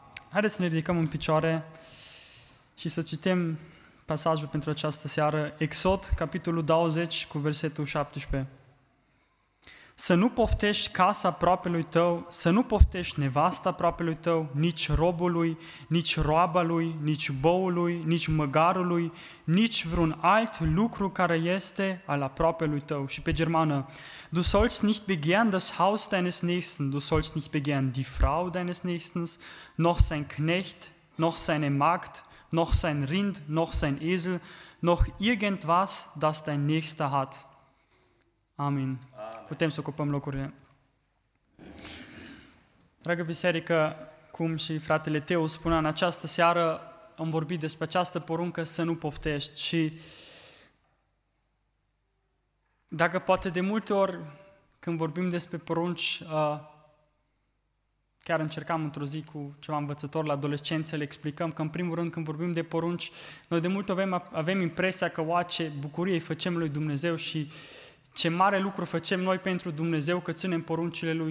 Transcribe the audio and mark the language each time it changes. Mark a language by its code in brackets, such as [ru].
[ro] Haideți să ne ridicăm în picioare și să citim pasajul pentru această seară, Exod, capitolul 20, cu versetul 17. Să nu poftești casa aproapelui tău, să nu poftești nevasta aproapelui tău, nici robului, nici roabălui, nici boului, nici măgarului, nici vreun alt lucru care este al aproapelui tău. Și pe germană, [de] du sollst nicht begehren das Haus deines Nächsten, du sollst nicht begehren die Frau deines Nächsten, noch sein Knecht, noch seine Magd, noch sein Rind, noch sein Esel, noch irgendwas, das dein Nächster hat. [ro] Amin. Putem să ocupăm locurile. Dragă biserică, cum și fratele Teo spunea, în această seară am vorbit despre această poruncă să nu poftești. Și dacă poate de multe ori când vorbim despre porunci, chiar încercam într-o zi cu ceva învățător la adolescență, le explicăm că în primul rând când vorbim de porunci, noi de multe ori avem impresia că ce bucurie îi facem lui Dumnezeu și ce mare lucru facem noi pentru Dumnezeu că ținem poruncile Lui.